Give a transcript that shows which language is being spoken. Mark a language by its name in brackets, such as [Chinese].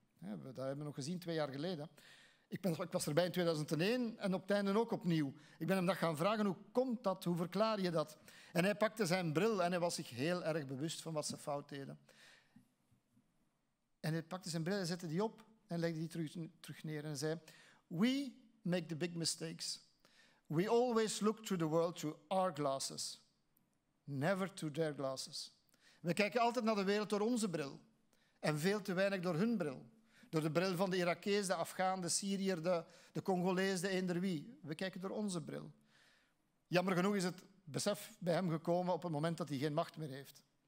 [Dutch] Dat hebben we nog gezien 2 jaar geleden. Ik was erbij in 2001 en op het einde ook opnieuw. Ik ben hem dat gaan vragen, hoe komt dat? Hoe verklaar je dat? En hij pakte zijn bril en hij was zich heel erg bewust van wat ze fout deden. En hij pakte zijn bril en zette die op en legde die terug neer en zei, [English] we make the big mistakes. We always look to the world through our glasses. Never through their glasses. [Dutch] We kijken altijd naar de wereld door onze bril. En veel te weinig door hun bril. Door de bril van de Irakees, de Afghaan, de Syriër, de Congolees, de eender wie. We kijken door onze bril. Jammer genoeg is het besef bij hem gekomen op het moment dat hij geen macht meer heeft.